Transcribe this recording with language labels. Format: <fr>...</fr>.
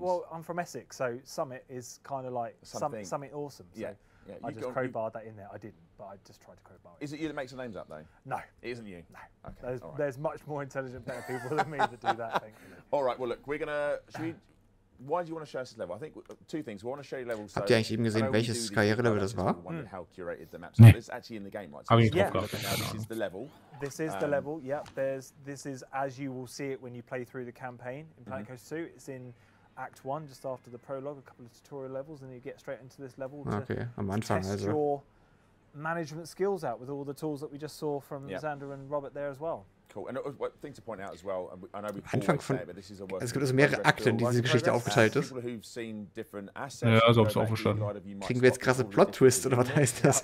<en>Bit, well, I'm from Essex, so Summit is kind of like something. Summit Awesome. So yeah. I just crowbarred that in there. I didn't, but I just tried to crowbar it. Is it you that makes the names up, though? No. It isn't you? No. Okay. There's, there's much more intelligent, better people than me that do that, thankfully. All right, well, look, we're going to... Should we? Why do you want to show us this level? I think two things. We want to show you levels.</en> <de>Habt ihr eigentlich eben gesehen, welches Karrierelevel das war?</de> <en>How curated the maps. Nee. It's actually in the game, right? So this is the level. This is the level, yep. This is as you will see it when you play through the campaign in Planet Coaster 2. It's in Act 1, just after the prologue, a couple of tutorial levels, and you get straight into this level to test your management skills out with all the tools that we just saw from Xander and Robert there as well. Cool. And a thing to point out as well, and I know we've</en> <de>Anfang von,</de> <en>said, but this is a work</en> <de>es gibt also mehrere Akte, in die diese Geschichte aufgeteilt ist. Assets, ja, also hab ich's auch verstanden. Kriegen wir jetzt krasse Plot-Twists, oder was heißt das?</de>